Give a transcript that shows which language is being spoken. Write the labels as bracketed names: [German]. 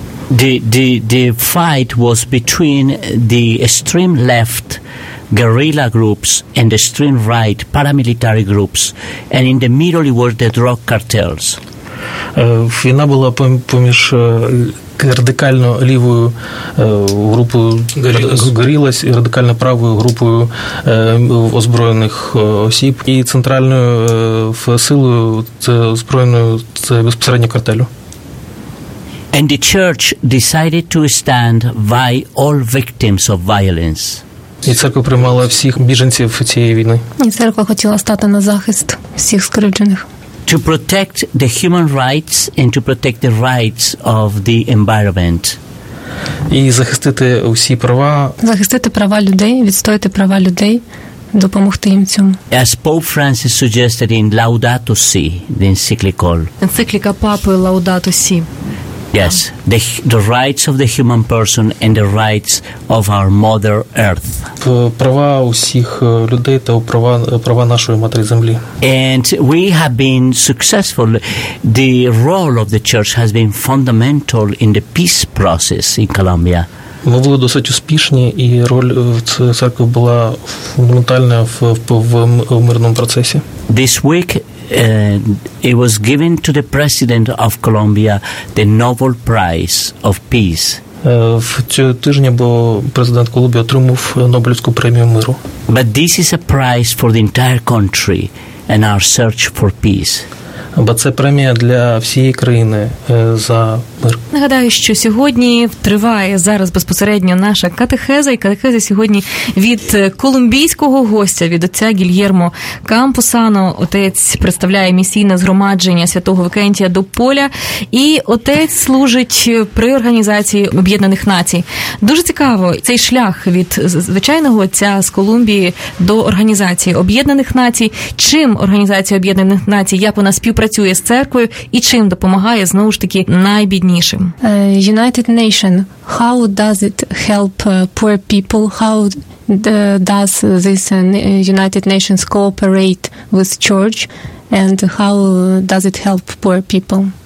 [English] The fight was between the extreme left guerrilla groups and extreme right paramilitary groups, and in the middle were the drug cartels. [Ukrainian] Війна була поміж радикально лівою групою горілась і радикально правою групою озброєних осіб, і центральною силою це безпосередньо картелю. [English] And the church decided to stand by all victims of violence. [Ukrainian] І церква приймала всіх біженців цієї війни. І церква хотіла стати на захист всіх скривджених. [English] To protect the human rights and to protect the rights of the environment. [Ukrainian] І захистити усі права. Захистити права людей, відстояти права людей допомогти їм цьому. [English] As Pope Francis suggested in Laudato Si, the encyclical. [Ukrainian] Енцикліка Папи Laudato Si. [English] Yes, the rights of the human person and the rights of our Mother Earth. [Ukrainian] Права усіх людей та права нашої матері землі. [English] And we have been successful. The role of the church has been fundamental in the peace process in Colombia. [Ukrainian] Ми були досить успішні, і роль церкви була фундаментальна в мирному процесі. [English] This week it was given to the president of Colombia the Nobel Prize of Peace. [Ukrainian] В цього тижня бо президент Колумбії отримав Нобелівську премію миру. [English] But this is a prize for the entire country and our search for peace. [Ukrainian] Бо це премія для всієї країни за мир. Нагадаю, що сьогодні триває зараз безпосередньо наша катехеза, і катехеза сьогодні від колумбійського гостя, від отця Гільєрмо Кампусано. Отець представляє місійне згромадження Святого Викентія до поля, і отець служить при Організації Об'єднаних Націй. Дуже цікаво, цей шлях від звичайного отця з Колумбії до Організації Об'єднаних Націй. Чим Організація Об'єднаних Націй, як вона співпрацює з церквою і чим допомагає, знову ж таки, найбіднішим? [English] United Nation, how does it help poor people? How does this United Nations cooperate with church and how does it help poor people?